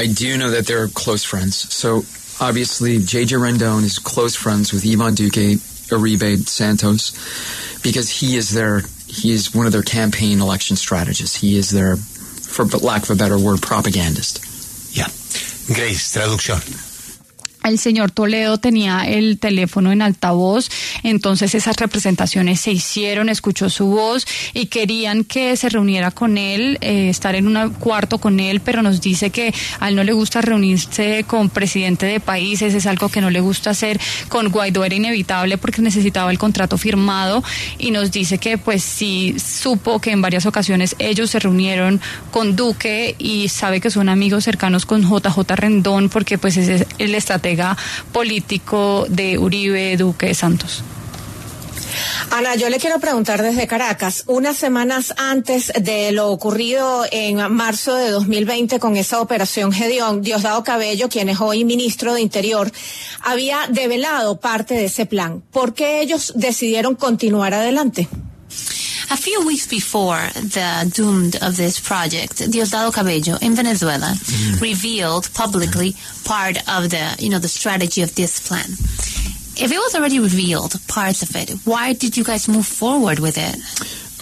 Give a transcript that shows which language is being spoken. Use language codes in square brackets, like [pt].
[en] I do know that they're close friends. So, obviously, J.J. Rendon is close friends with Iván Duque, Uribe, Santos, because he is one of their campaign election strategists. He is their, for lack of a better word, propagandist. Yeah. Grace, traducción. [es] El señor Toledo tenía el teléfono en altavoz, entonces esas representaciones se hicieron, escuchó su voz y querían que se reuniera con él, estar en un cuarto con él, pero nos dice que a él no le gusta reunirse con presidente de países, es algo que no le gusta hacer. Con Guaidó era inevitable porque necesitaba el contrato firmado, y nos dice que pues sí supo que en varias ocasiones ellos se reunieron con Duque y sabe que son amigos cercanos con JJ Rendón porque pues es el estratega político de Uribe, Duque, Santos. Ana, yo le quiero preguntar desde Caracas, unas semanas antes de lo ocurrido en marzo de 2020 con esa operación Gedeón, Diosdado Cabello, quien es hoy ministro de Interior, había develado parte de ese plan. ¿Por qué ellos decidieron continuar adelante? [en] A few weeks before the doomed of this project, Diosdado Cabello in Venezuela revealed publicly part of the, you know, the strategy of this plan. If it was already revealed, parts of it, why did you guys move forward with it?